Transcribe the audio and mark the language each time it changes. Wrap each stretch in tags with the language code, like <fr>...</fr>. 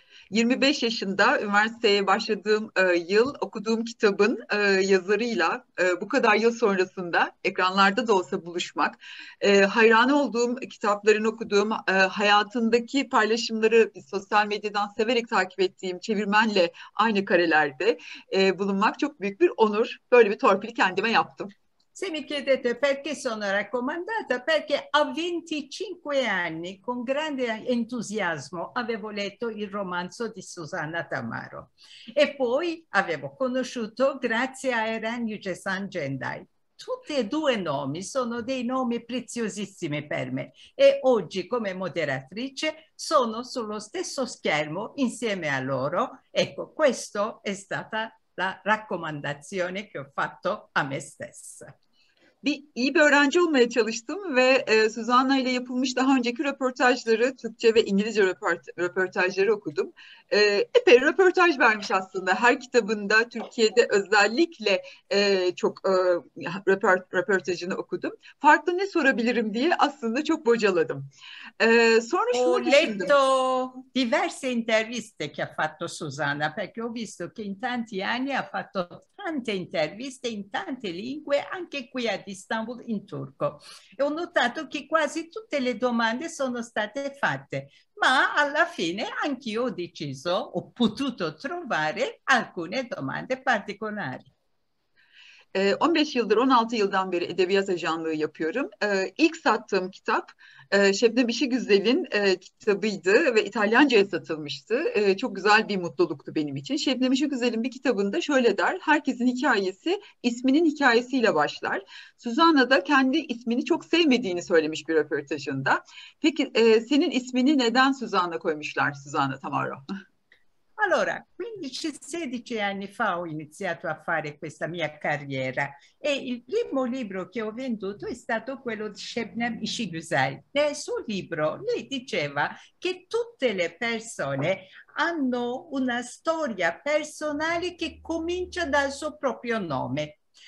<tr>25 yaşında üniversiteye başladığım yıl okuduğum kitabın yazarıyla bu kadar yıl sonrasında ekranlarda da olsa buluşmak, hayran olduğum kitapların okuduğum hayatındaki paylaşımları sosyal medyadan severek takip ettiğim çevirmenle aynı karelerde bulunmak çok büyük bir onur. Böyle bir torpil kendime yaptım.</tr> <it>Se mi chiedete perché sono raccomandata, perché a 25 anni con grande entusiasmo avevo letto il romanzo di Susanna Tamaro e poi avevo conosciuto Grazia Eran Yücesan Cenday. Tutti e due nomi sono dei nomi preziosissimi per me e oggi come moderatrice sono sullo stesso schermo insieme a loro. Ecco, questo è stata la raccomandazione che ho fatto a me stessa.</it> <tr>Bir iyi bir öğrenci olmaya çalıştım ve Susanna ile yapılmış daha önceki röportajları, Türkçe ve İngilizce röportajları okudum. Epey röportaj vermiş aslında. Her kitabında Türkiye'de özellikle çok röportajını okudum. Farklı ne sorabilirim diye aslında çok bocaladım. Sonra şunu düşündüm.</tr> <it>Ho letto diverse interviste che ha fatto Susanna, perché ho visto che in tanti anni ha fatto tante interviste in tante lingue, anche qui ad Istanbul in turco. E ho notato che quasi tutte le domande sono state fatte, ma alla fine anch'io ho deciso, ho potuto trovare alcune domande particolari.</it> <tr>15 yıldır, 16 yıldan beri edebiyat ajanlığı yapıyorum. İlk sattığım kitap Şebnem İşigüzel'in kitabıydı ve İtalyanca'ya satılmıştı. Çok güzel bir mutluluktu benim için. Şebnem İşigüzel'in bir kitabında şöyle der: herkesin hikayesi isminin hikayesiyle başlar. Susanna da kendi ismini çok sevmediğini söylemiş bir röportajında. Peki senin ismini neden Susanna koymuşlar, Susanna Tamaro?</tr> <it>Allora, 15-16 anni fa ho iniziato a fare questa mia carriera e il primo libro che ho venduto è stato quello di Şebnem İşigüzel. Nel suo libro lei diceva che tutte le persone hanno una storia personale che comincia dal suo proprio nome.</it>